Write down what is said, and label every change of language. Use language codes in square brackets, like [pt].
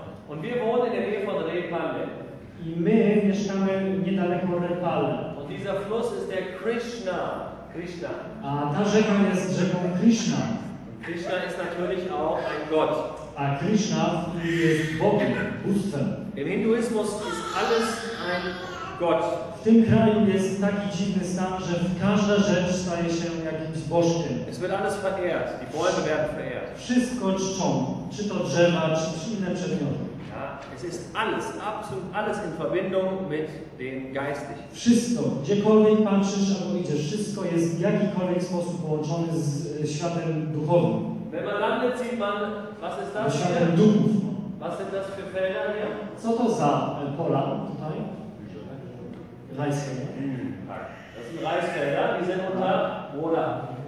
[de] Und wir wohnen in der Nähe von Repale. [pl] I my mieszkamy niedaleko Repale. [de] Und dieser Fluss ist der Krishna. Krishna. [pl] A ta rzeka jest rzeką Krishna. [de] Krishna ist natürlich auch ein Gott. [pl] A Krishna jest Bogiem, Bóstwem. [de] Im Hinduismus ist alles ein Gott. [pl] W tym kraju jest taki dziwny stan, że każda rzecz staje się jakimś bożkiem. [de] Es wird alles verehrt. Die Bäume werden verehrt. [pl] Wszystko czczą. Czy to drzewa, czy inne przedmioty. [de] Ja, es ist alles, absolut alles in Verbindung mit dem Geistlichen. [pl] Wszystko, gdziekolwiek patrzysz albo idziesz, wszystko jest w jakikolwiek sposób połączone z światem duchowym. [de] Wenn man landet, sieht man, was ist das [pl] hier? Światem duchów. [de] Was sind das für Felder hier? [pl] Co to za pola tutaj? [de] Reisfelder. Das sind Reisfelder, die sind unter Wasser.